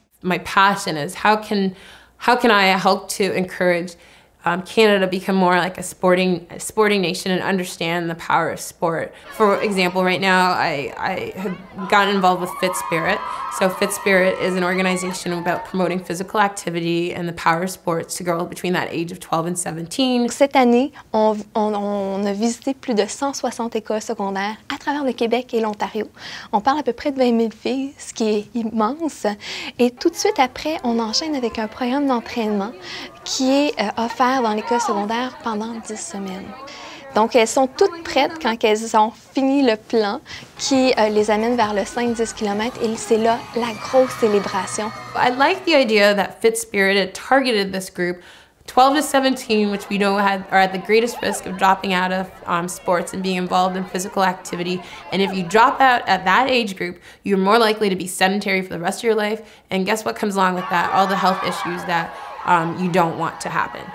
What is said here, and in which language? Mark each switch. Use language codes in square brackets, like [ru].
[en] My passion is how can I help to encourage Canada become more like a sporting nation and understand the power of sport. For example, right now I have gotten involved with Fit Spirit. So Fit Spirit is an organization about promoting physical activity and the power of sports to girls between that age of 12 and 17. [fr] Cette année, on a visité plus de 160 écoles secondaires à travers le Québec et l'Ontario. On parle à peu près de 20 000 filles, ce qui est immense. Et tout de suite après, on enchaîne avec un programme d'entraînement qui est offert dans l'école secondaire pendant 10 semaines. Donc, elles sont toutes prêtes quand elles ont fini le plan qui les amène vers le 5-10 km et c'est là la grosse célébration. [en] I like the idea that Fit Spirit had targeted this group 12 to 17, which we know are at the greatest risk of dropping out of sports and being involved in physical activity. And if you drop out at that age group, you're more likely to be sedentary for the rest of your life. And guess what comes along with that? All the health issues that you don't want to happen.